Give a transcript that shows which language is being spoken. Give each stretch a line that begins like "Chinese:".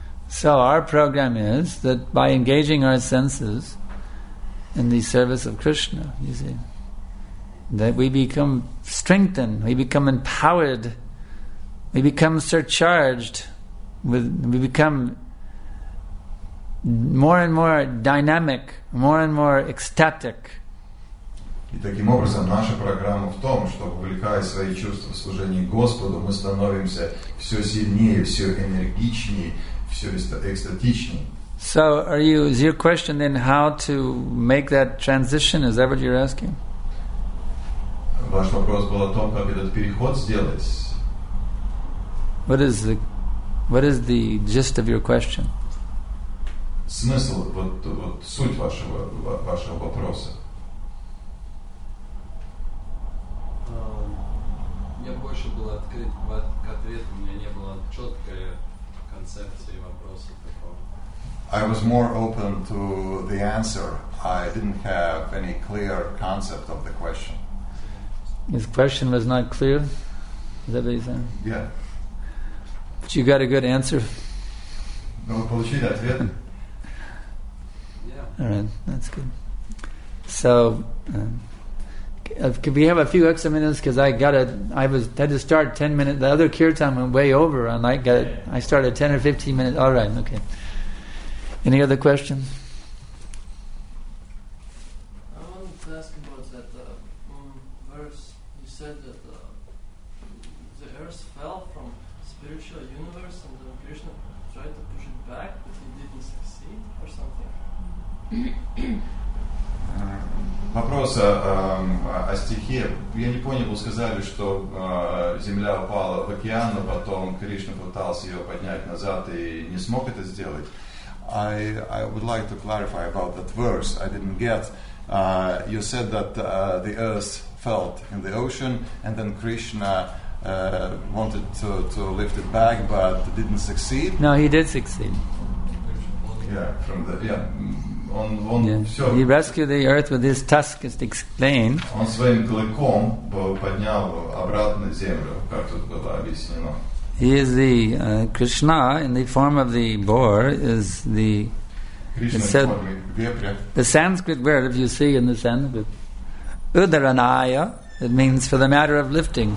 English: So our program is that by engaging our senses in the service of Krishna, you see, that we become strengthened, we become empowered, we become surcharged, we become more and more dynamic, more and more ecstatic.
Russian: И таким образом наша программа в том, что вовлекая свои чувства в служении Господу, мы становимся все сильнее, все энергичнее, все экстатичнее.
English: So, is your question then how to make that transition? Is that what you're asking?
Russian: Ваш вопрос был о том, как этот переход сделать.
English: What is the gist of your question?
Russian: Смысл, вот суть вашего вопроса. Мне больше было открыт к ответу, у меня не было четкой концепции вопроса.
English: I was more open to the answer. I didn't have any clear concept of the question. His question was not clear? Is that what he said? Yeah. But you got a good answer? No, we
Russian: получили ответ.
English: Yeah. All right, that's good. So, could we have a few extra minutes? Because I had to start 10 minutes. The other kirtan went way over, and I started 10 or 15 minutes. All right, okay. Any other questions? I wanted to ask about that verse. You said that the earth fell from spiritual universe, and then Krishna tried to push it back, but he didn't succeed or something.
Russian: Вопрос о стихе. Я не понял, вы сказали, что земля упала в океан, но потом Кришна пытался ее поднять назад и не смог это сделать.
English: I would like to clarify about that verse. I didn't get. You said that the earth fell in the ocean, and then Krishna wanted to lift it back, but didn't succeed. No, he did succeed. Yeah, from the yeah. He rescued the earth with his tusk, as explained.
Russian: Он своим клыком поднял обратно землю, как тут было объяснено.
English: He is the Krishna in the form of the boar. Is the Krishna said, the Sanskrit word? If you see in the Sanskrit, udaranaya, it means for the matter of lifting.